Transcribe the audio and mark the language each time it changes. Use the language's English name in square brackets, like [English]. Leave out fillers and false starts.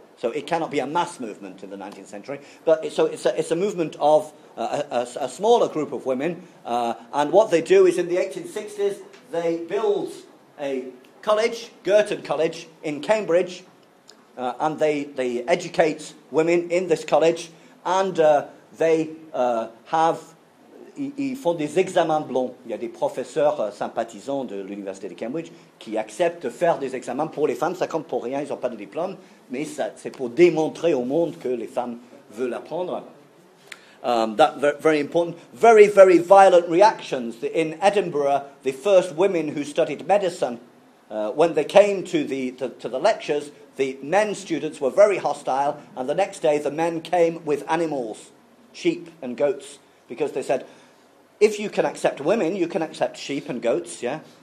[English] So it cannot be a mass movement in the 19th century. But it's a movement of a smaller group of women. And what they do is in the 1860s, they build a college, Girton College, in Cambridge. And they educate women in this college. And they have... [French] Ils font des examens blancs. Il y a des professeurs sympathisants de l'Université de Cambridge qui acceptent de faire des examens pour les femmes. Ça compte pour rien, ils n'ont pas de diplôme. Mais c'est pour démontrer au monde que les femmes veulent apprendre. [English] That very important. Very, very violent reactions. In Edinburgh, the first women who studied medicine, when they came to the lectures, the men students were very hostile, and the next day the men came with animals, sheep and goats, because they said, if you can accept women, you can accept sheep and goats, yeah?